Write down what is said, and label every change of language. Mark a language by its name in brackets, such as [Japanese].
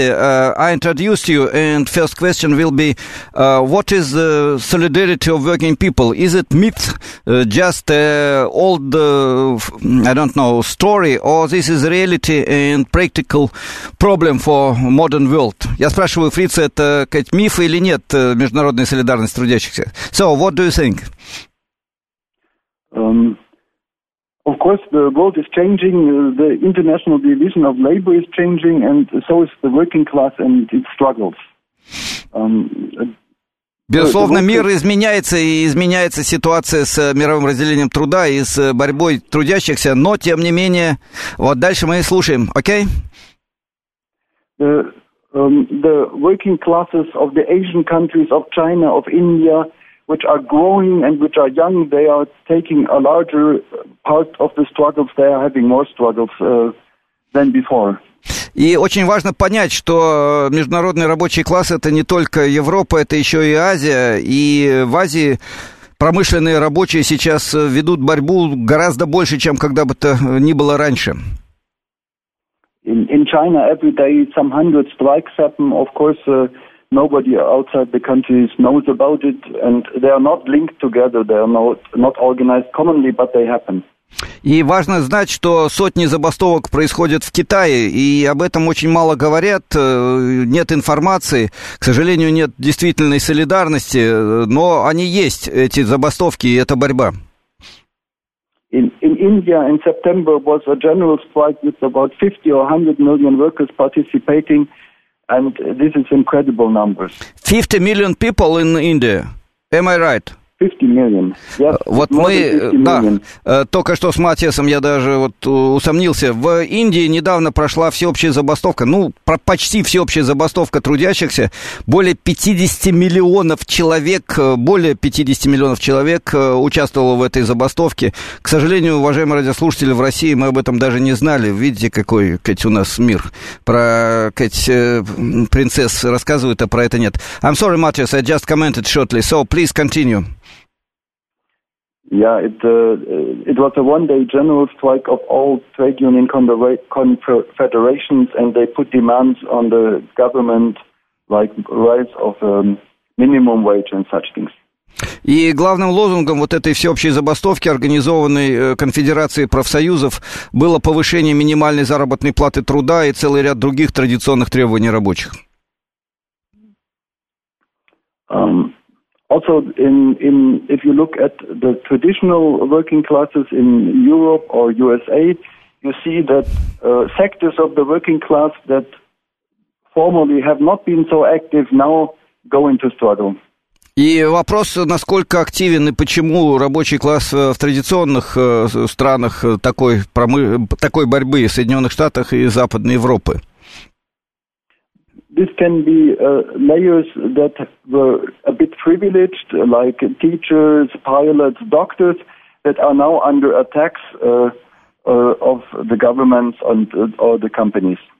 [English] I introduced you, and first question will be, what is the solidarity of working people? Is it myth, just old, I don't know, story, or this is reality and practical problem for modern world? [Russian] Я спрашиваю Фрица, это как миф или нет международная солидарность трудящихся? [English] So, what do you think? Of course, the world is changing, the international division of labor is changing, and so is the working class and its struggles. [Russian] Безусловно, мир изменяется, и изменяется ситуация с мировым разделением труда и с борьбой трудящихся, но, тем не менее, вот дальше мы и слушаем, окей? [English] The working classes of the Asian countries, of China, of India, which are growing and which are young, they are taking a larger part of the struggles. They are having more struggles than before. [Russian] И очень важно понять, что международный рабочий класс – это не только Европа, это еще и Азия. И в Азии промышленные рабочие сейчас ведут борьбу гораздо больше, чем когда бы то ни было раньше. [English] In China, every day some hundred strikes happen, of course, nobody outside the countries knows about it, and they are not linked together, they are not organized commonly, but they happen. [Russian] И важно знать, что сотни забастовок происходят в Китае, и об этом очень мало говорят, нет информации, к сожалению, нет действительной солидарности, но они есть, эти забастовки, и это борьба. [English] In India in September was a general strike with about 50 or 100 million workers participating, and this is incredible numbers. 50 million people in India, am I right? 50 million. Yes, [Russian] вот мы, million. Да, только что с Матиасом я даже вот усомнился. В Индии недавно прошла всеобщая забастовка, ну, почти всеобщая забастовка трудящихся. Более 50 миллионов человек, более 50 миллионов человек участвовало в этой забастовке. К сожалению, уважаемые радиослушатели, в России мы об этом даже не знали. Видите, какой, кать, у нас мир. Про, кать, принцесс рассказывают, а про это нет. [English] I'm sorry, Matias, I just commented shortly, so please continue. Yeah, it was a one-day general strike of all trade union confederations, and they put demands on the government, like rise of minimum wage and such things. [Russian] И главным лозунгом вот этой всеобщей забастовки, организованной Конфедерацией профсоюзов, было повышение минимальной заработной платы труда и целый ряд других традиционных требований рабочих. [English] Also, in if you look at the traditional working classes in Europe or USA, you see that sectors of the working class that formerly have not been so active now go into struggle. [Russian] И вопрос, насколько активен и почему рабочий класс в традиционных странах такой борьбы, Соединенных Штатах и Западной Европы? [English] This can be layers that were a bit privileged, like teachers, pilots, doctors, that are now under attacks of the governments and or the companies.